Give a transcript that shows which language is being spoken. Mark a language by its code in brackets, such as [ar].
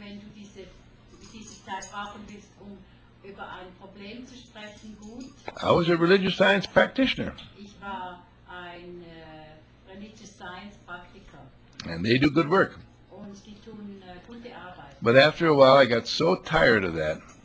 [de] Wenn du diese Zeit brauchen willst, um über ein Problem zu sprechen, gut. [en] I was a religious science practitioner. [de] Ich war ein religious science Praktiker. [en] And they do good work. [de] Und die tun gute Arbeit. [en] But after a while I got so tired of that.